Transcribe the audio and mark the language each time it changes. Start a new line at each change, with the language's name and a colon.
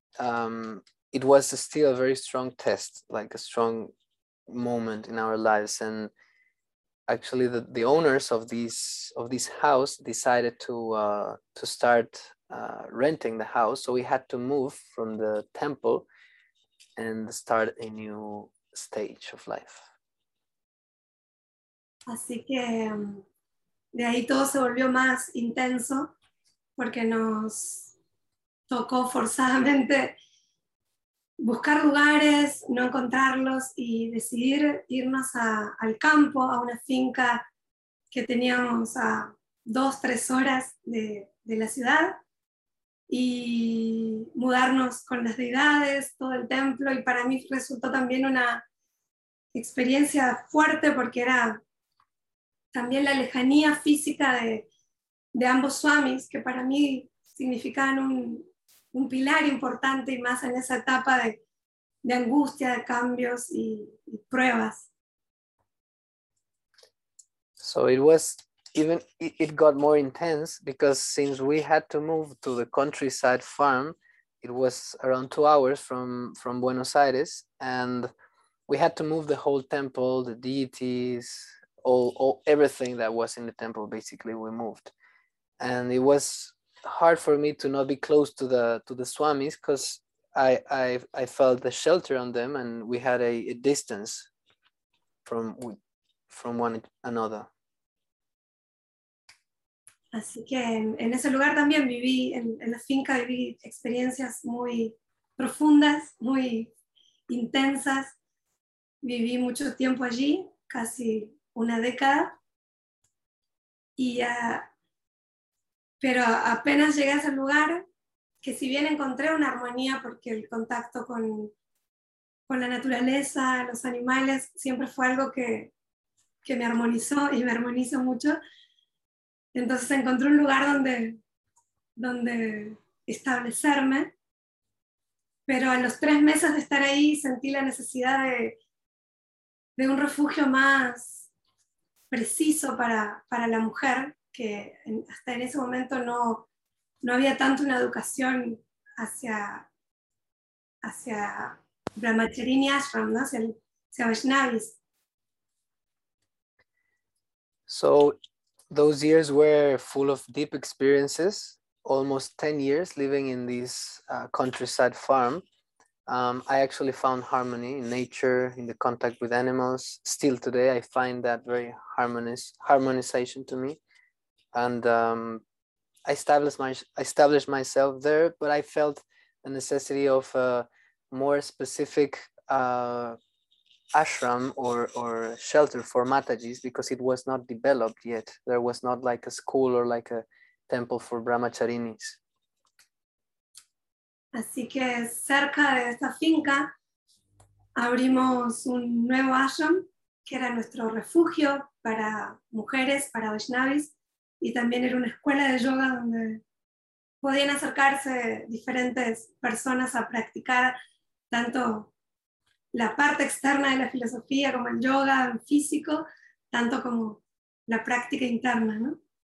English: It was still a very strong test, like a strong moment in our lives. And actually the owners of this house decided to start renting the house, so we had to move from the temple and start a new stage of life.
Spanish: Así que de ahí todo se volvió más intenso porque nos tocó forzadamente buscar lugares, no encontrarlos y decidir irnos al campo, a una finca que teníamos a 2-3 horas de la ciudad y mudarnos con las deidades, todo el templo, y para mí resultó también una experiencia fuerte porque era también la lejanía física de ambos swamis, que para mí significaban un pilar importante y más en esa etapa de angustia, de cambios y pruebas. So it was even, it got more intense because since we had to move to the countryside farm, it was around 2 hours from Buenos Aires, and we had to move the whole temple, the deities, all everything that was in the temple, basically we moved. And it was hard for me to not be close to the swamis because I felt the shelter on them, and we had a distance from one another. Así que en ese lugar también viví, en la finca viví experiencias muy profundas, muy intensas. Viví mucho tiempo allí, casi una década. Pero apenas llegué a ese lugar, que si bien encontré una armonía porque el contacto con la naturaleza, los animales, siempre fue algo que me armonizó y me armonizó mucho. Entonces encontré un lugar donde establecerme, pero a los 3 meses de estar ahí sentí la necesidad de un refugio más preciso para la mujer, que hasta en ese momento no había tanto una educación hacia Brahmacharini Ashram, ¿no? hacia Vaishnavis.
English: So those years were full of deep experiences, almost 10 years living in this countryside farm. I actually found harmony in nature, in the contact with animals. Still today, I find that very harmonization to me. And I established myself there, but I felt the necessity of a more specific ashram or shelter for Matajis, because it was not developed yet. There was not like a school or like a temple for Brahmacharinis.
Spanish: Así que cerca de esta finca abrimos un nuevo ashram que era nuestro refugio para mujeres, para Vaishnavis, y también era una escuela de yoga donde podían acercarse diferentes personas a practicar tanto la parte externa de la filosofía como el yoga físico, tanto como la práctica interna, ¿no?